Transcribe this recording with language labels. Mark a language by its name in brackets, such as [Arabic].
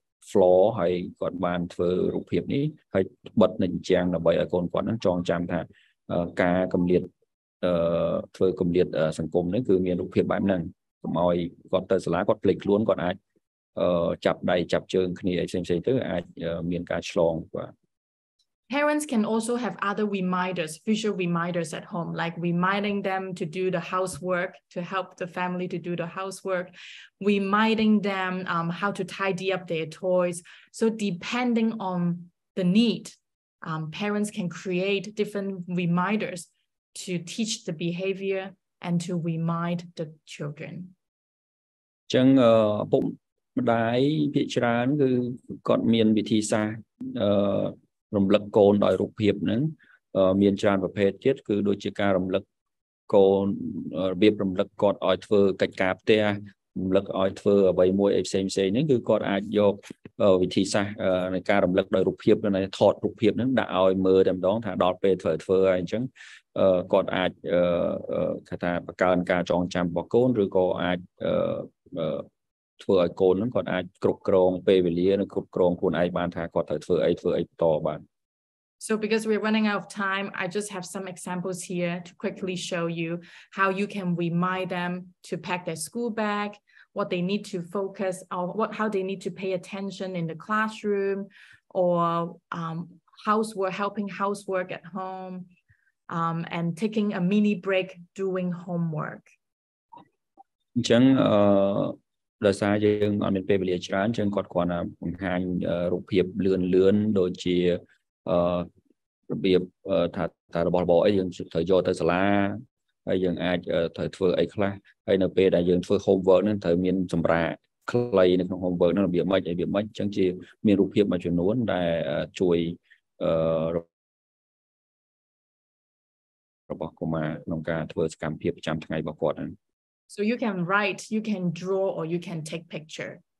[Khmer] floor ហើយគាត់បានធ្វើរូបភាពនេះហើយបិទនៅជញ្ជាំងដើម្បីឲ្យកូនគាត់ហ្នឹងចងចាំថាការគម្លាតធ្វើគម្លាតសង្គមនេះគឺមានរូបភាពបែបហ្នឹងកុំឲ្យគាត់ទៅសាលាគាត់ភ្លេចខ្លួនគាត់អាចចាប់ដៃចាប់ជើងគ្នាអីផ្សេងៗទៅអាចមានការឆ្លងបាទ [English] Parents can also have other reminders, visual reminders at home, like reminding them to do the housework, to help the family to do the housework, reminding them how to tidy up their toys. So depending on the need, parents can create different reminders. To teach the behavior and to remind the children. [Khmer] ចឹងពុកម្ដាយភាគច្រើនគឺគាត់មានវិធីសាស្ត្ររំលឹកកូនដោយរូបភាពហ្នឹងមានច្រើនប្រភេទទៀតគឺដូចជាការរំលឹកកូនរបៀបរំលឹកគាត់ឲ្យធ្វើកិច្ចការផ្ទះរំលឹកឲ្យធ្វើអ្វីមួយអីផ្សេងផ្សេងហ្នឹងគឺគាត់អាចយកវិធីសាស្ត្រនៃការរំលឹកដោយរូបភាពនៅថតរូបភាពហ្នឹងដាក់ឲ្យមើលតែម្ដងថាដល់ពេលធ្វើហើយអញ្ចឹងគាត់អាច គាត់ថាបកើនការចងចាំរបស់កូនឬក៏អាចធ្វើឲ្យកូនហ្នឹងគាត់អាចគ្រប់គ្រងពេលវេលានិងគ្រប់គ្រងខ្លួនឯងបានថាគាត់ត្រូវធ្វើអីបន្តបាន [English] So because we're running out of time, I just have some examples here to quickly show you how you can remind them to pack their school bag, what they need to focus on, how they need to pay attention in the classroom or housework, helping housework at home. And taking a mini break doing homework. [Khmer] អញ្ចឹងដោយសារយើងអត់មានពេលវេលាច្រើនអញ្ចឹងគាត់គ្រាន់តែបង្ហាញរូបភាពលឿនដូចជារបៀបថារបស់របរអីយើងត្រូវយកទៅសាលាហើយយើងអាចត្រូវធ្វើអីខ្លះហើយនៅពេលដែលយើងធ្វើ homework ហ្នឹងត្រូវមានសម្រាប់ខ្លីនៅក្នុង homework ហ្នឹងរបៀបម៉េចអញ្ចឹងជាមានរូបភាពមួយចំនួនដែលជួយរបស់កុមារក្នុងការធ្វើសកម្មភាពប្រចាំថ្ងៃរបស់គាត់ហ្នឹង [English] So you can write, you can draw or you can take picture.